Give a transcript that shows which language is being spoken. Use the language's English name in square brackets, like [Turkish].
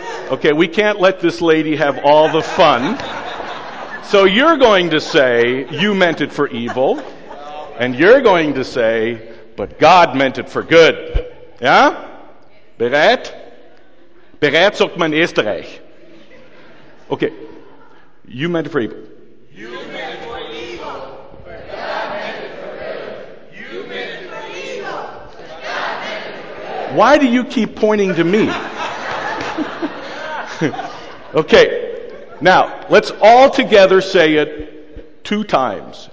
[English] Okay, we can't let this lady have all the fun. So you're going to say you meant it for evil, and you're going to say, but God meant it for good. [German] Ja? Bereit? Bereit sagt man in Österreich. [English] Okay. You meant it for evil. You meant it for evil, but God meant it for good. You meant it for evil, but God meant it for good. Why do you keep pointing to me? Okay. Now, let's all together say it two times.